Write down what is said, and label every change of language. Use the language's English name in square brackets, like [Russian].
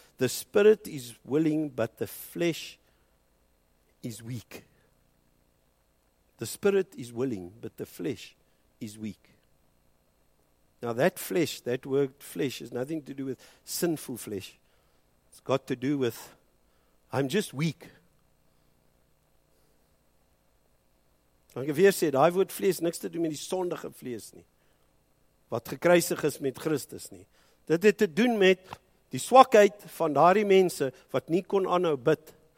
[English] The spirit is willing, but the flesh is weak. The spirit is willing, but the flesh is weak. Now that flesh, that word flesh, has nothing to do with sinful flesh. It's got to do with, I'm just weak. [Afrikaans] Ek het weer sê, die woord vlees, niks te doen met die sondige vlees nie, wat gekruisig is met Christus nie. Dit het te doen met die swakheid van daardie mense, wat nie kon aanhou bid.